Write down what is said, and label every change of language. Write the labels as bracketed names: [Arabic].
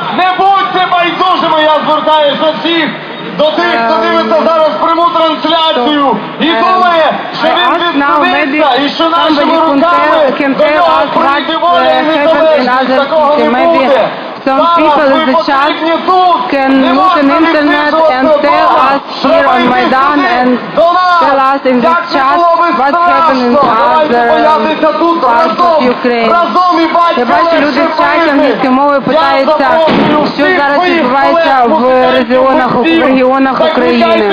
[Ukrainian] Не будьте байдужими, я звертаюся до всіх! До тих, хто дивиться зараз пряму трансляцію і думає, що він відновиться і що нашими руками до нього прийти воля і відновитися, такого не буде! [English] Some people in the chat can look on internet and tell us here on Maidan and tell us in the chat what happened in other parts of Ukraine. [Ukrainian] Я бачу, люди в чаті англійської мови питаються, що зараз відбувається в регіонах України.